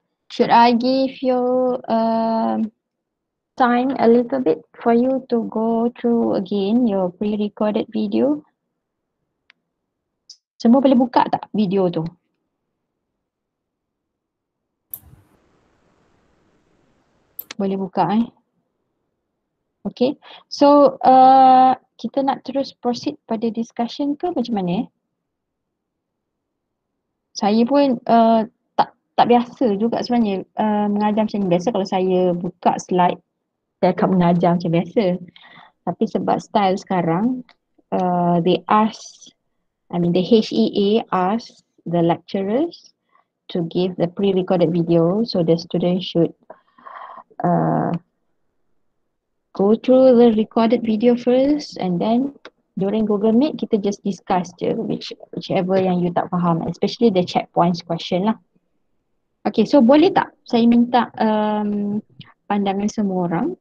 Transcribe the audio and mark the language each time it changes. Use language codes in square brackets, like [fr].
[en] Should I give you time a little bit for you to go through again your pre-recorded video? [ms] Semua boleh buka tak video tu? Boleh buka eh? Okay, so kita nak terus proceed pada discussion ke macam mana eh? Saya pun tak biasa juga sebenarnya mengajar macam ni. Biasa kalau saya buka slide, saya akan mengajar macam biasa. Tapi sebab style sekarang, [en] the HEA asks the lecturers to give the pre-recorded video so the student should go through the recorded video first and then during Google Meet, [ms] kita just discuss je whichever yang you tak faham, [en] especially the checkpoints question lah. [ms] Okay, so boleh tak saya minta pandangan semua orang?